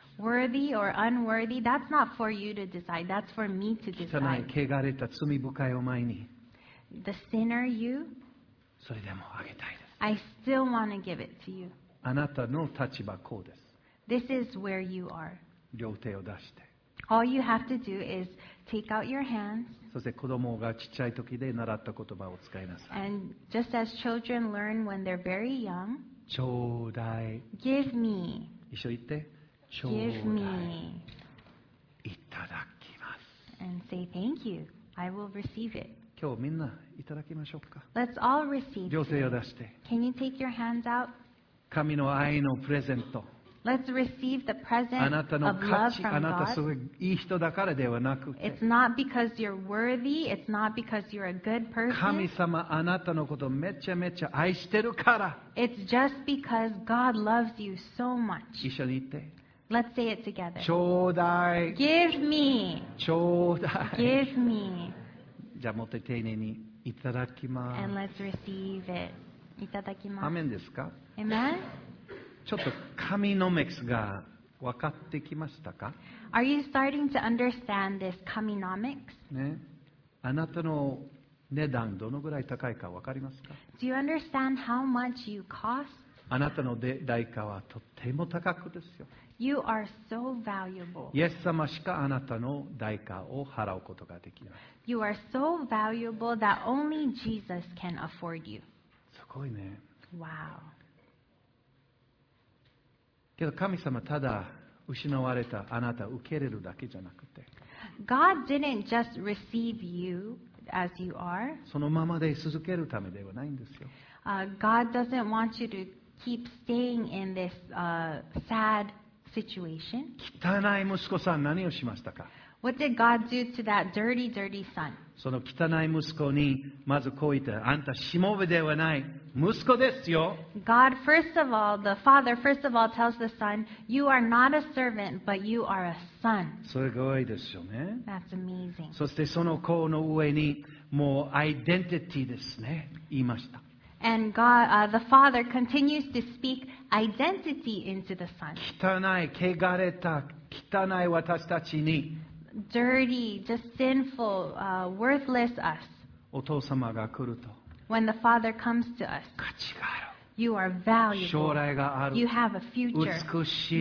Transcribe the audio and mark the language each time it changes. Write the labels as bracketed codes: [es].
[en] Worthy or unworthy, that's not for you to decide. That's for me to decide. [ja] 汚い、汚れた、罪深いを前に。 [en] The sinner you. [ja] それでもあげたいです。 [en] I still want to give it to you. [ja] あなたの立場こうです。 [en] This is where you are. [ja] 両手を出して。 [en] All you have to do is take out your hands. [ja] そして子供がちっちゃい時で習った言葉を使いなさい。 [en] And just as children learn when they're very young. [ja] ちょうだい。 [en] Give me. [ja] 一緒に言って。 [en] Give me. [ja] いただきます。 [en] And say thank you. I will receive it. [ja] 今日みんないただきましょうか。 [en] Let's all receive. [ja] 両手を出して。 [en] Can you take your hands out? [ja] 神の愛のプレゼント。 [en] Let's receive the present of love from God. [ja] あなたすごいいい人だからではなくて。 [en] It's not because you're worthy. It's not because you're a good person. [ja] 神様あなたのことめちゃめちゃ愛してるから。 [en] It's just because God loves you so much. [ja] 一緒に言って。 [en] Let's say it together. [ja] ちょうだい。 [en] Give me. [ja] ちょうだい。 [en] Give me. [ja] じゃあもっと丁寧にいただきます。 [en] And let's receive it. [ja] いただきます。アメンですか？ [en] Amen? [ja] ちょっと神のメクスが分かってきましたか？ [en] Are you starting to understand this Kaminomics? [ja] ね。あなたの値段どのぐらい高いか分かりますか？ [en] Do you understand how much you cost? [ja] あなたの代価はとても高くですよ。 [en] You are so valuable. [ja] イエス様しかあなたの代価を払うことができない。 [en] You are so valuable that only Jesus can afford you. [ja] すごいね。 [en] Wow. [ja] けど神様ただ失われたあなたを受け入れるだけじゃなくて。 [en] God didn't just receive you as you are. [ja] そのままで続けるためではないんですよ。 [en] God doesn't want you to keep staying in this sad situation. [ja] 汚い息子さん何をしましたか？ [en] What did God do to that dirty, dirty son? [ja] その汚い息子にまずこう言って、あんたしもべではない息子ですよ。 [en] God, first of all, the father, first of all, tells the son, you are not a servant, but you are a son. [ja] すごいですよね。 [en] That's amazing. [ja] そしてその子の上にもうアイデンティティですね、言いました。 [en] And God, the father continues to speak identity into the son. [ja] 汚い、汚れた、汚い私たちに。 [en] Dirty, just sinful, worthless us. [ja] お父様が来ると。 [en] When the father comes to us. [ja] 価値がある。 [en] You are valuable. [ja] 将来がある。 [en] You have a future. [ja] 美しい。